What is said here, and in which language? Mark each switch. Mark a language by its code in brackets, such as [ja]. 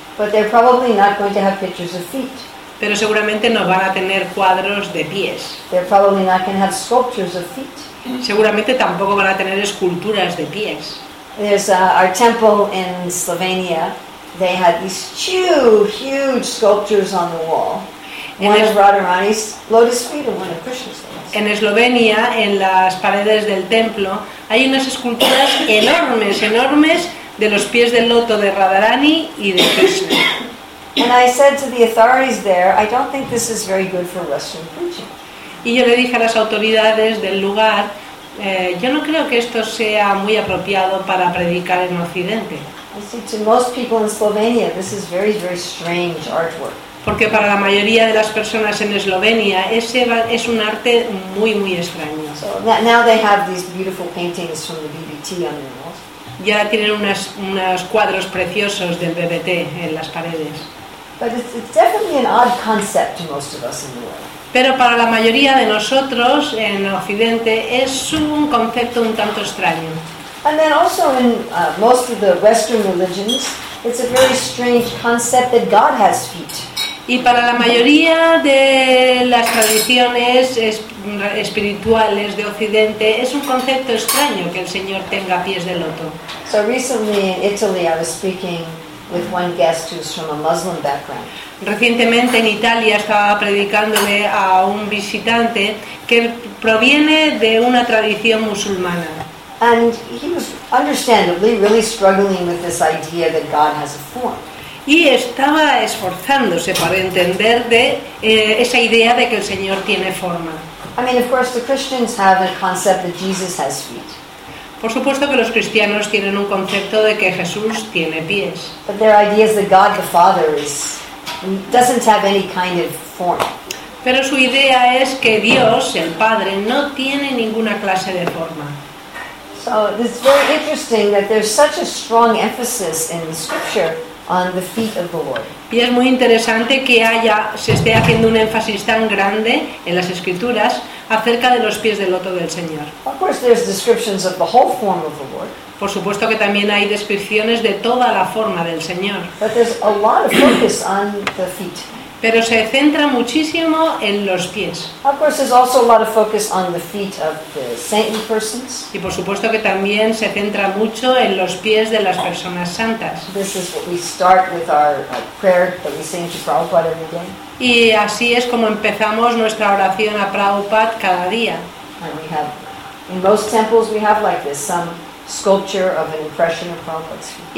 [en] But they're probably not going to have pictures of feet. [es] Pero seguramente no van a tener cuadros de pies. [en] They're probably not going to have sculptures of feet. [es] Seguramente tampoco van a tener esculturas de pies. [en] There's our temple in Slovenia. They had these two huge sculptures on the wall. One of Radharani's lotus feet and one of Krishna's lotus feet. [es] En Eslovenia, en las paredes del templo, hay unas esculturas enormes de los pies del loto de Radharani y de Krishna. [en] And I said to the authorities there, I don't think this is very good for Western preaching. [es] Y yo le dije a las autoridades del lugar, yo no creo que esto sea muy apropiado para predicar en Occidente. [en] I said to most people in Slovenia, this is very, very strange artwork. [es] Porque para la mayoría de las personas en Eslovenia, ese es un arte muy, muy extraño. [en] So now they have these beautiful paintings from the BBT on their walls. [es] Ya tienen unos cuadros preciosos del BBT en las paredes. [en] But it's definitely an odd concept to most of us in the world. [es] Pero para la mayoría de nosotros en Occidente es un concepto un tanto extraño. [en] And then also in most of the Western religions, it's a very strange concept that God has feet. [es] Y para la mayoría de la las tradiciones espirituales de Occidente es un concepto extraño que el Señor tenga pies de loto. [en] So recently in Italy I was speaking with one guest who's from a Muslim background. [es] Recientemente en Italia estaba predicándole a un visitante que proviene de una tradición musulmana. [en] And he was understandably really struggling with this idea that God has a form. [es] Y estaba esforzándose para entender de esa idea de que el Señor tiene forma. [en] I mean, of course, the Christians have a concept that Jesus has feet. [es] Por supuesto que los cristianos tienen un concepto de que Jesús tiene pies. [en] But their idea is that God the Father is doesn't have any kind of form. [es] Pero su idea es que Dios, el Padre, no tiene ninguna clase de forma. [en] So it's very interesting that there's such a strong emphasis in the scripture on the feet of the Lord. [es] Y es muy interesante que haya se esté haciendo un énfasis tan grande en las escrituras acerca de los pies del loto del Señor. [en] Of course, there's descriptions of the whole form of the Lord. [es] Por supuesto que también hay descripciones de toda la forma del Señor. [en] But there's a lot of focus on the feet. [es] Pero se centra muchísimo en los pies. [en] Of course, there's also a lot of focus on the feet of the saintly persons. [es] Y por supuesto que también se centra mucho en los pies de las personas santas. [en] This is what we start with our prayer that we sing to Prabhupada every day. [es] Y así es como empezamos nuestra oración a Prabhupada cada día. [en] And we have, in most temples we have like this, some sculpture of an impression of Prabhupada's feet.